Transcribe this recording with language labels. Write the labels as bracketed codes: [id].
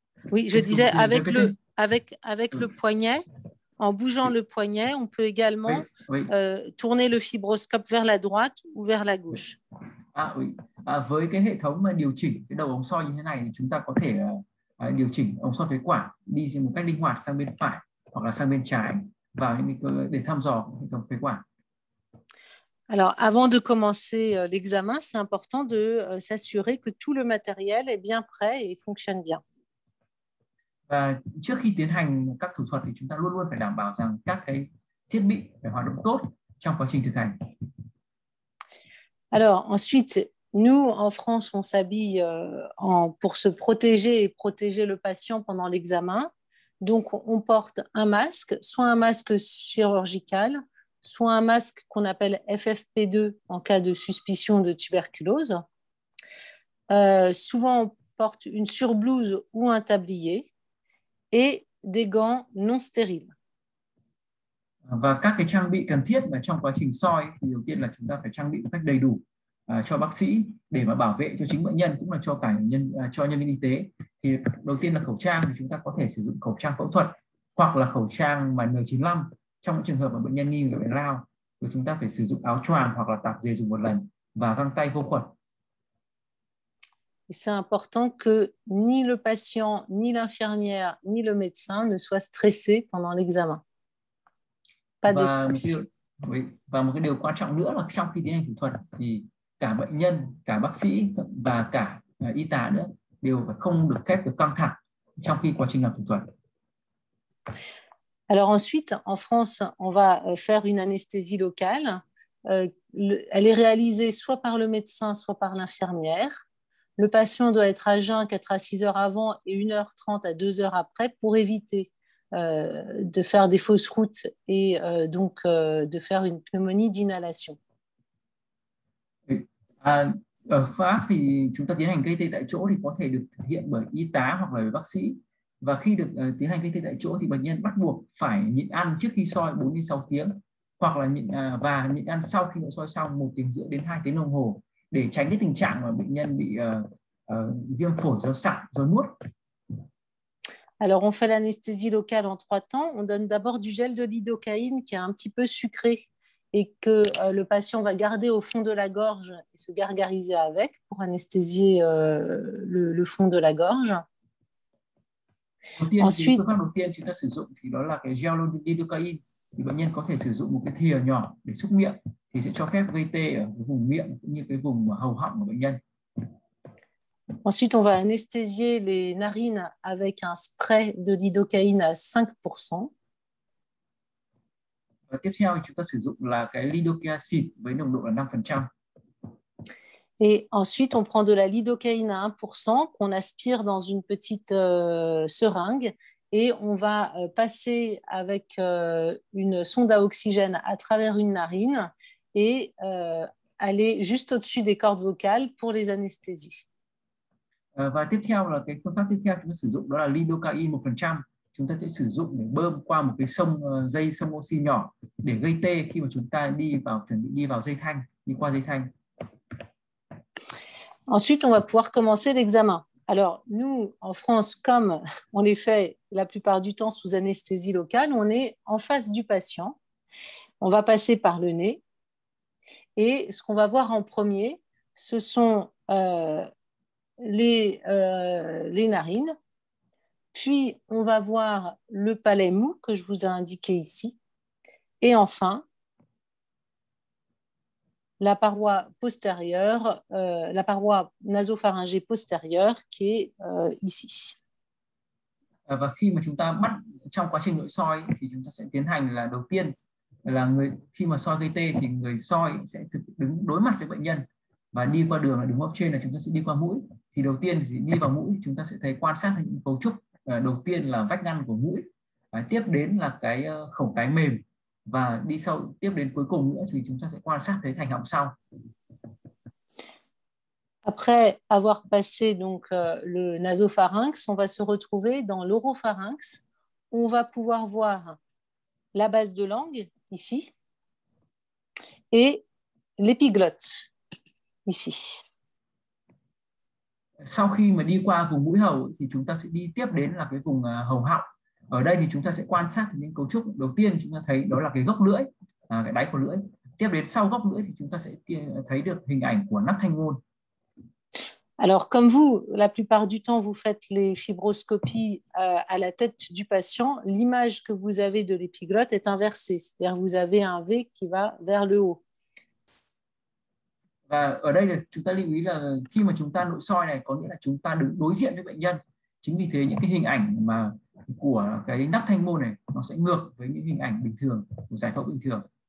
[fr] Oui, je disais avec le poignet. En bougeant le poignet, on peut également tourner le fibroscope vers la droite ou vers la gauche. Ah oui. [vi] À, với cái hệ thống mà điều chỉnh cái đầu ống soi như thế này, chúng ta có thể điều chỉnh ống soi phế quản đi một cách linh hoạt sang bên phải hoặc là sang bên trái vào những để thăm dò hệ thống phế quản. [fr] Alors, avant de commencer l'examen, c'est important de s'assurer que tout le matériel est bien prêt et fonctionne bien. [vi] Và trước khi tiến hành các thủ thuật thì chúng ta luôn luôn phải đảm bảo rằng các cái thiết bị phải hoạt động tốt trong quá trình thực hành. [fr] Alors ensuite, nous en France, on s'habille pour se protéger et protéger le patient pendant l'examen. Donc on porte un masque, soit un masque chirurgical, soit un masque qu'on appelle FFP2 en cas de suspicion de tuberculose. Souvent on porte une surblouse ou un tablier. Et des gants non stériles. [vi] Và các cái trang bị cần thiết mà trong quá trình soi thì đầu tiên là chúng ta phải trang bị một cách đầy đủ cho bác sĩ để mà bảo vệ cho chính bệnh nhân cũng là cho cả nhân cho nhân viên y tế. Thì đầu tiên là khẩu trang thì chúng ta có thể sử dụng khẩu trang phẫu thuật hoặc là khẩu trang mà N95 trong những trường hợp mà bệnh nhân nghi ngờ bị lao. Rồi chúng ta phải sử dụng áo choàng hoặc là tạp dề dùng một lần và găng tay vô khuẩn. [fr] C'est important que ni le patient, ni l'infirmière, ni le médecin ne soient stressés pendant l'examen. Pas de stress. Oui. [vi] Và một cái điều quan trọng nữa là trong khi tiến hành thủ thuật thì cả bệnh nhân, cả bác sĩ và cả y tá nữa đều không được phép được căng thẳng trong khi quá trình làm thủ thuật. [fr] Alors ensuite, en France, on va faire une anesthésie locale. Elle est réalisée soit par le médecin, soit par l'infirmière. Le patient doit être à jeun 4 à 6 heures avant et 1h30 à 2 heures après pour éviter de faire des fausses routes et donc de faire une pneumonie d'inhalation. [vi] Ở Pháp thì chúng ta tiến hành gây tê tại chỗ thì có thể được thực hiện bởi y tá hoặc là bác sĩ. Và khi được tiến hành gây tê tại chỗ thì bệnh nhân bắt buộc phải nhịn ăn trước khi soi 4-6 tiếng hoặc là nhịn ăn sau khi nội soi xong 1 tiếng rưỡi đến 2 tiếng đồng hồ. Để tránh cái tình trạng mà bệnh nhân bị viêm phổi do sặc do nuốt. [fr] Alors on fait l'anesthésie locale en trois temps. On donne d'abord du gel de lidocaïne qui est un petit peu sucré et que le patient va garder au fond de la gorge et se gargariser avec pour anesthésier le fond de la gorge. Ensuite, [vi] chúng ta sử dụng thì đó là cái [fr] gel de lidocaïne. [vi] Thì bệnh nhân có thể sử dụng một cái thìa nhỏ để xúc miệng. Thì sẽ cho phép gây tê ở cái vùng miệng cũng như cái vùng hầu họng của bệnh nhân. [fr] Ensuite, on va anesthésier les narines avec un spray de lidocaïne à 5%. [vi] Và tiếp theo chúng ta sử dụng là cái lidocaïne với nồng độ là 5%. [fr] Et ensuite, on prend de la lidocaïne à 1% qu'on aspire dans une petite seringue. Et on va passer avec une sonde à oxygène à travers une narine et aller juste au-dessus des cordes vocales pour les anesthésies. [vi] Và tiếp theo là cái phương pháp tiếp theo chúng ta sử dụng đó là lidocaïne 1%. chúng ta sẽ sử dụng để bơm qua một cái sông dây sông oxy nhỏ để gây tê khi mà chúng ta đi vào chuẩn bị đi vào dây thanh đi qua dây thanh. [fr] Ensuite, on va pouvoir commencer l'examen. Alors, nous, en France, comme on les fait la plupart du temps sous anesthésie locale, on est en face du patient. On va passer par le nez. Et ce qu'on va voir en premier, ce sont les narines. Puis, on va voir le palais mou que je vous ai indiqué ici. Et enfin, la paroi postérieure, la paroi nasopharyngée postérieure qui est ici. [vi] Và khi mà chúng ta bắt trong quá trình nội soi thì chúng ta sẽ tiến hành là đầu tiên là người khi mà soi gây tê thì người soi sẽ thực đứng đối mặt với bệnh nhân và đi qua đường là đứng góc trên là chúng ta sẽ đi qua mũi. Thì đầu tiên thì đi vào mũi chúng ta sẽ thấy quan sát những cấu trúc đầu tiên là vách ngăn của mũi. Tiếp đến là cái khẩu cái mềm và đi sau tiếp đến cuối cùng nữa thì chúng ta sẽ quan sát thấy thành họng sau. [fr] Après avoir passé donc le nasopharynx, on va se retrouver dans l'oropharynx. On va pouvoir voir la base de langue ici et l'épiglotte ici. [vi] Sau khi mà đi qua vùng mũi hầu thì chúng ta sẽ đi tiếp đến là cái vùng hầu họng. Ở đây thì chúng ta sẽ quan sát những cấu trúc đầu tiên chúng ta thấy đó là cái gốc lưỡi, cái đáy của lưỡi. Tiếp đến sau gốc lưỡi thì chúng ta sẽ thấy được hình ảnh của nắp thanh ngôn. [fr] Alors comme vous, la plupart du temps, vous faites les fibroscopies à la tête du patient, l'image que vous avez de l'épiglotte est inversée, c'est-à-dire vous avez un V qui va vers le haut. [vi] Và ở đây là chúng ta lưu ý là khi mà chúng ta nội soi này có nghĩa là chúng ta đứng đối diện với bệnh nhân. Chính vì thế những cái hình ảnh mà của cái nắp thanh môn này nó sẽ ngược với những hình ảnh bình thường của giải phẫu bình thường.